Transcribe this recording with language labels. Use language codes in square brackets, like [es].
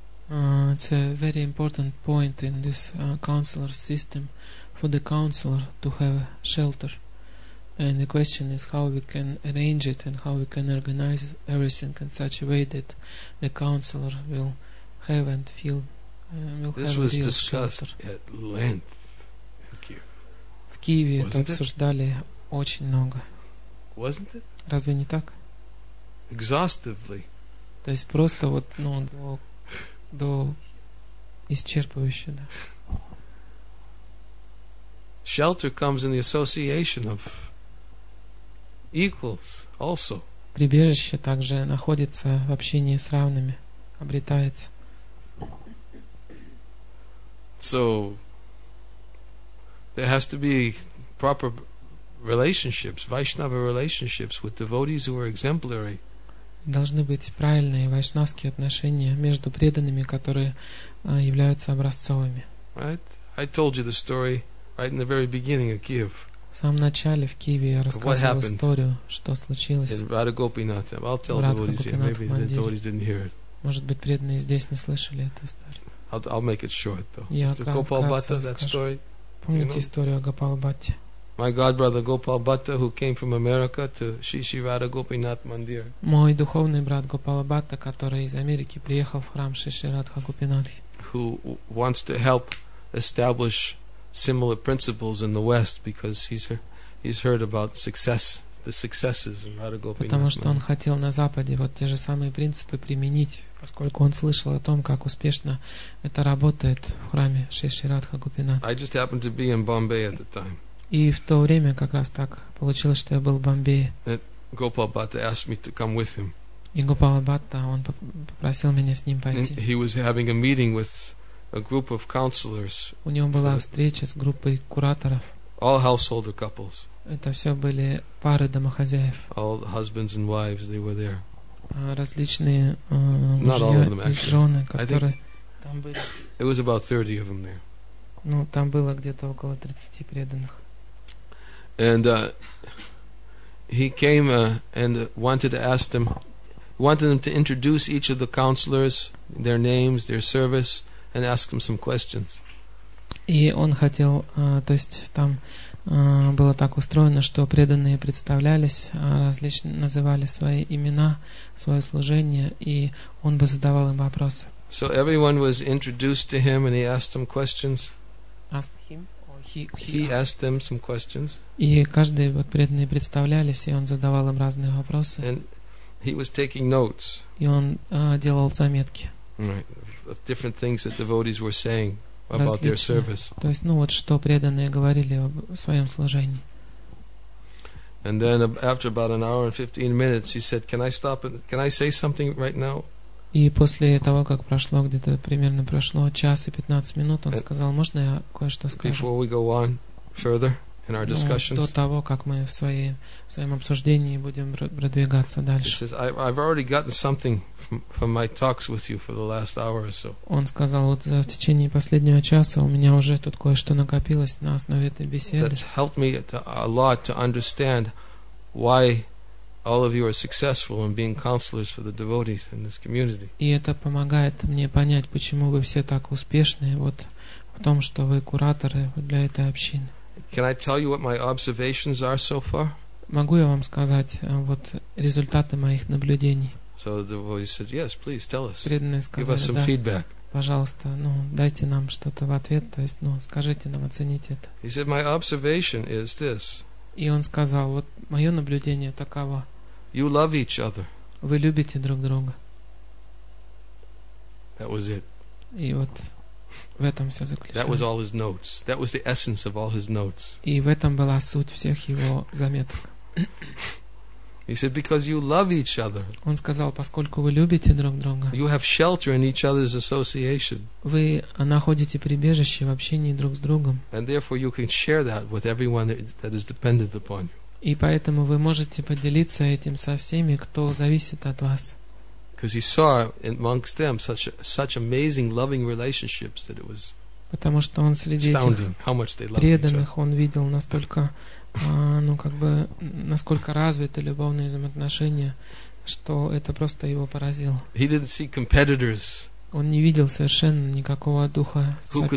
[en] It's a very important point in this counselor system for the counselor to have a shelter. And the question is how we can arrange it and how we can organize everything in such a way that the counselor will have and feel will this have was real discussed shelter. At length in Kiev. [ru] В Киеве это обсуждали очень много. [en] Wasn't it? [ru] Разве не так? [en] Exhaustively. [ru] То есть просто вот, ну, до исчерпывающего. [en] shelter comes in the association of equals also. [ru] Прибежище также находится в общении с равными, обретается. [en] So there has to be proper relationships, Vaishnava relationships with devotees who are exemplary. [ru] Должны быть правильные вайшнавские отношения между преданными, которые являются образцовыми. [en] Right? I told you the story right in the very beginning of Kiev. [ru] В самом начале в Киеве я рассказывал историю, что случилось. [en] In Radha Gopinath. I'll tell the devotees here. Maybe the devotees didn't hear it. [ru] Может быть, преданные здесь не слышали эту историю. [en] I'll make it short, though. [ru] Я [en] Gopal Bhatta, that story. [ru] Помните историю о Гопал Бхатте? [en] My godbrother Gopal Bhatta, who came from America to Shri Shri Radha Gopinath Mandir. [ru] Мой духовный брат Гопал Бхатта, который из Америки приехал в храм Шри Шри Радха Гопинатхи. [en] Who wants to help establish similar principles in the West because he's heard about the successes in Radha Gopinath. [ru] Потому что он хотел на Западе вот те же самые принципы применить, поскольку он слышал о том, как успешно это работает в храме Шри Шри Радха Гопинатхи. [en] I just happened to be in Bombay at the time. [ru] И в то время как раз так получилось, что я был в Бомбее. [en] Gopal Bhatta asked me to come with him. [ru] И Гопал Бхатта, он попросил меня с ним пойти. [en] And he was having a meeting with a group of counselors. [ru] У него была встреча с группой кураторов. [en] All householder couples. [ru] Это все были пары домохозяев. [en] All husbands and wives, they were there. [ru] Различные мужья и жены, которые там были. [en] It was about 30 of them there. [ru] Ну, там было где-то около 30 преданных. [en] And he came and wanted them to introduce each of the counselors, their names, their service, and ask them some questions. [ru] И он хотел, то есть там было так устроено, что преданные представлялись, различные называли свои имена, свое служение, и он бы задавал им вопросы. [en] So everyone was introduced to him, and he asked them questions. Asked him. He asked them some questions. [ru] И каждый вот преданный представлялись, и он задавал им разные вопросы. [en] And he was taking notes. [ru] И он делал заметки. [en] Right. Different things that devotees were saying about [ru] различные. [en] Their service. [ru] То есть, ну вот что преданные говорили о своем служении. [en] And then after about an hour and 15 minutes, he said, "Can I say something right now?" [ru] И после того, как прошло где-то примерно прошло час и 15 минут, он сказал, можно я кое-что скажу? [en] Before we go on further in our discussions, [ru] до того, как мы в своем обсуждении будем продвигаться дальше. [en] He says, I've already gotten something from my talks with you for the last hour or so. [ru] Он сказал, вот в течение последнего часа у меня уже тут кое-что накопилось на основе этой беседы. [en] That's helped me a lot to understand why all of you are successful in being counselors for the devotees in this community. [ru] И это помогает мне понять, почему вы все так успешны вот в том, что вы кураторы для этой общины. [en] Can I tell you what my observations are so far? [ru] Могу я вам сказать вот результаты моих наблюдений? [en] So the devotees said, "Yes, please tell us." [ru] Преданные сказали, [en] give us some [ru] да, [en] feedback. [ru] Пожалуйста, ну, дайте нам что-то в ответ, то есть, ну, скажите нам, оцените это. [en] He said, "My observation is this." [ru] И он сказал, вот мое наблюдение таково. [en] You love each other. [ru] Вы любите друг друга. [en] That was it. [ru] И вот в этом все заключалось. [en] That was all his notes. That was the essence of all his notes. [ru] И в этом была суть всех его заметок. [en] He said, because you love each other. [ru] Он сказал, поскольку вы любите друг друга. [en] You have shelter in each other's association. [ru] Вы находите прибежище в общении друг с другом. [en] And therefore you can share that with everyone that is dependent upon you. [ru] И поэтому вы можете поделиться этим со всеми, кто зависит от вас. [en] Because he saw amongst them such amazing loving relationships that it was [ru] потому что он среди этих преданных он видел настолько ну, как бы, насколько развиты любовные взаимоотношения, что это просто его поразило. [en] He didn't see competitors. [ru] Он не видел совершенно никакого духа соперничества.